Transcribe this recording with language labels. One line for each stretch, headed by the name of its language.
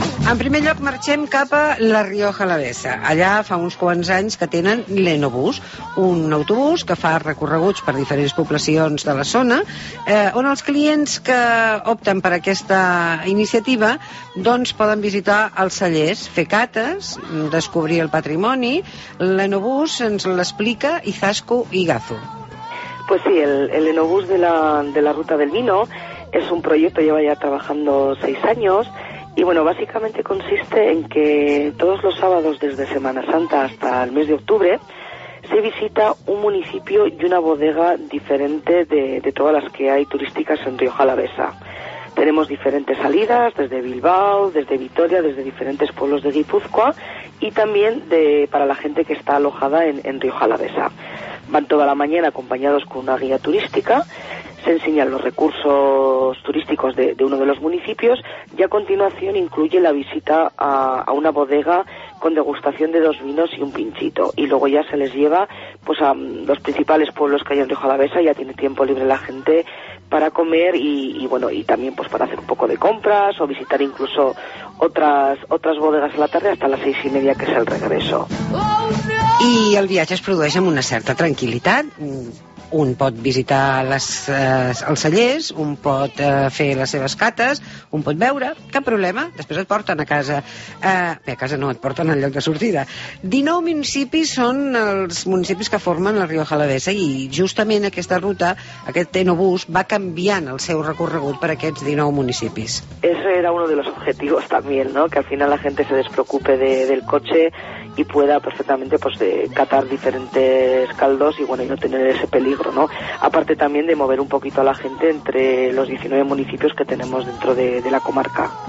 Catalan: En primer lloc marxem cap a La Rioja Alavesa. Allà fa uns quants anys que tenen l'Enobús, un autobús que fa recorreguts per diferents poblacions de la zona, on els clients que opten per aquesta iniciativa doncs poden visitar els cellers, fer cates, descobrir el patrimoni. L'Enobús ens l'explica Izaskun Igazu.
Spanish: Pues sí, el Enobús de la Ruta del Vino es un proyecto, lleva ya trabajando 6 años, y bueno, básicamente consiste en que todos los sábados desde Semana Santa hasta el mes de octubre se visita un municipio y una bodega diferente de todas las que hay turísticas en Rioja Alavesa. Tenemos diferentes salidas desde Bilbao, desde Vitoria, desde diferentes pueblos de Guipúzcoa y también para la gente que está alojada en Rioja Alavesa. Van toda la mañana acompañados con una guía turística. Se enseñan los recursos turísticos de uno de los municipios y a continuación incluye la visita a una bodega con degustación de 2 vinos y un pinchito. Y luego ya se les lleva pues a los principales pueblos que hay en Rioja Alavesa. Ya tiene tiempo libre la gente para comer y bueno, y también pues para hacer un poco de compras o visitar incluso otras bodegas a la tarde hasta las 6:30, que es el regreso. Y el viaje
Catalan: es produeix amb una certa tranquil·litat. Un pot visitar els cellers, un pot fer les seves cates, un pot beure, cap problema, després et porten a casa. Bé, a casa no, et porten al lloc de sortida. 19 municipis són els municipis que formen la Rioja Alavesa i justament aquesta ruta, aquest Enobús, va canviant el seu recorregut per aquests 19 municipis.
Spanish: Ese era uno de los objetivos también, ¿no? Que al final la gente se despreocupe del coche y pueda perfectamente pues de catar diferentes caldos y bueno, y no tener ese peligro, ¿no? Aparte también de mover un poquito a la gente entre los 19 municipios que tenemos dentro de la comarca.